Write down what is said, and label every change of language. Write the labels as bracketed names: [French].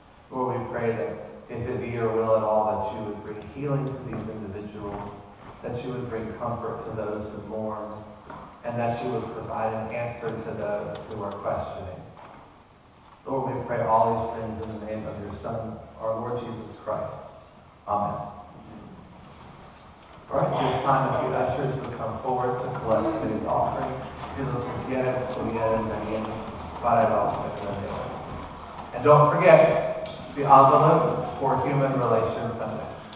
[English] Lord, we pray that if it be your will at all, that you would bring healing to these individuals, that you would bring comfort to those who mourn, and that you would provide an answer to those who are questioning. Lord, we pray all these things in the name of your Son, our Lord Jesus Christ. Amen. All right, this time a few ushers would come forward to collect today's offering. [Spanish] Si los quieres, pudieras venir para el ofrecimiento. [English] And don't forget, the envelope is for Human Relations Sunday.